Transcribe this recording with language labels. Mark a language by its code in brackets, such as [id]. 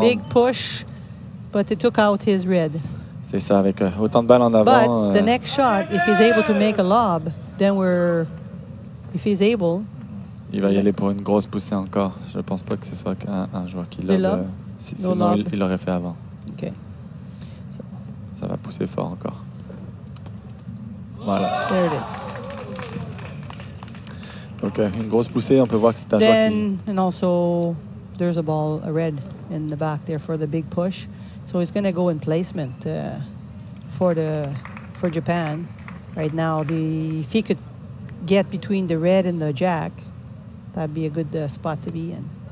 [en] Big push, but it took out his red. [fr] C'est ça, avec autant de balles en avant. [en] But the next shot, if he's able to make a lob, then we're, if he's able. [fr] Il va y aller pour une grosse poussée encore. Je ne pense pas que ce soit un joueur qui lobe. Il l'aurait fait avant. OK. Ça va pousser fort encore. Voilà. [en] There it is. [fr] Donc une grosse poussée, on peut voir que c'est un [en] then, [fr] joueur qui. [en] Then and also there's a ball, a red in the back there for the big push. So he's going to go in placement for Japan right now. If he could get between the red and the jack, that'd be a good spot to be in.